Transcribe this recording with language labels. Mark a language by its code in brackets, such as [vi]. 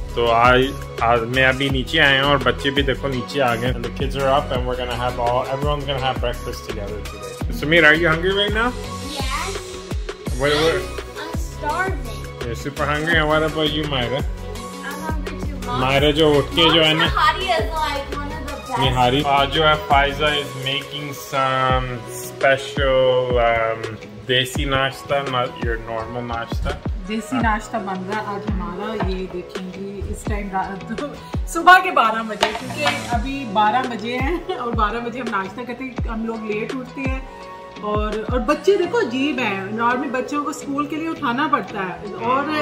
[hi] So आज मैं अभी नीचे आया हूँ और बच्चे भी देखो नीचे आ गए. [en] The kids are up and we're gonna have all, everyone's gonna have breakfast together today. Sameer, are you hungry right now? Yes. What? I'm starving. You're super hungry. And what about you, Myra? I'm hungry too, Mom. [hi] Myra, जो उठ के जो है ना. [en] Nihari is like one of the best. Nihari. [hi] आज जो है [en] Faiza is making some special desi nashta, not your normal nashta. [hi] देसी नाश्ता बन रहा है आज हमारा. ये देखेंगे इस टाइम रात सुबह के 12 बजे, क्योंकि अभी 12 बजे हैं और 12 बजे हम नाश्ता करते हैं. हम लोग लेट उठते हैं और बच्चे देखो अजीब हैं. नॉर्मली बच्चों को स्कूल के लिए उठाना पड़ता है और